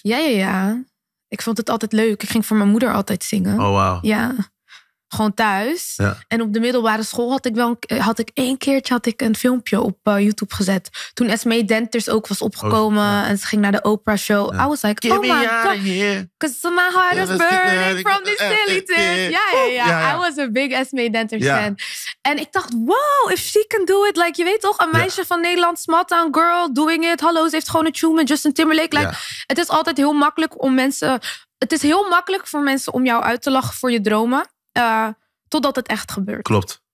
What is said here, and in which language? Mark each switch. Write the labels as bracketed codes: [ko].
[nl] Ja. Ik vond het altijd leuk. Ik ging voor mijn moeder altijd zingen. Oh, wow. Ja. Gewoon thuis. Ja. En op de middelbare school had ik een filmpje op YouTube gezet. Toen Esmee Denters ook was opgekomen. Oh, ja. En ze ging naar de Oprah show. [en] Ja. I was like, give oh my god. Because my heart is burning from this silly thing. Ja. I was a big Esmee Denters fan. [nl] En ik dacht, [en] wow, if she can do it. [nl] Like, je weet toch, een meisje van Nederland, [en] small town girl, doing it. [nl] Hallo, ze heeft gewoon een tune met Justin Timberlake. Like, het is altijd heel makkelijk om mensen... Het is heel makkelijk voor mensen om jou uit te lachen voor je dromen. Totdat het echt gebeurt. Klopt.